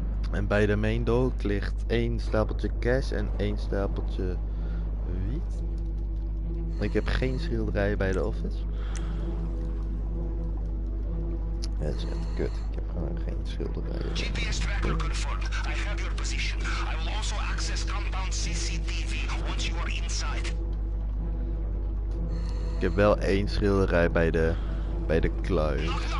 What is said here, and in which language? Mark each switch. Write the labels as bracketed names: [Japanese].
[Dutch] En bij de main dock ligt één stapeltje cash en één stapeltje wiet. Ik heb geen schilderijen bij de office. Dat is echt kut. Ik heb gewoon geen schilderijen. [English] GPS tracker confirmed. I have your position. I will also access compound CCTV once you are inside. [Dutch] Ik heb wel één schilderij bij de kluis.